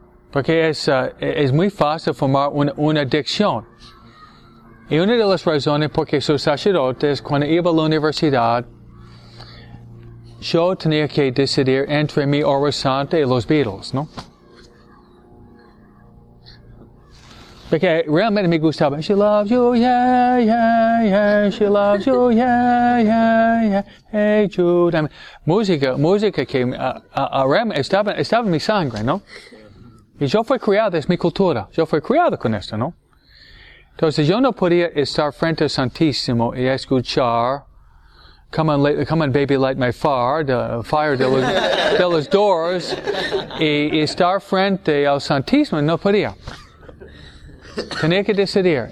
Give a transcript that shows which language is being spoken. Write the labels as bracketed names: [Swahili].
[Spanish] Porque es muy fácil formar una adicción. Y una de las razones por que soy sacerdote es cuando iba a la universidad, yo tenía que decidir entre mi obra santa y los Beatles, ¿no? Porque realmente me gustaba. [English] She loves you, yeah, yeah, yeah. She loves you, yeah, yeah, yeah. Hey, Jude. I mean, [Spanish] música que realmente estaba en mi sangre, ¿no? Y yo fui criado, es mi cultura. Yo fui criado con esto, ¿no? Entonces yo no podía estar frente al Santísimo y escuchar [English] come on, baby, light my fire, the fire [Spanish] de los doors, y estar frente al Santísimo, no podía. Tenía que decidir.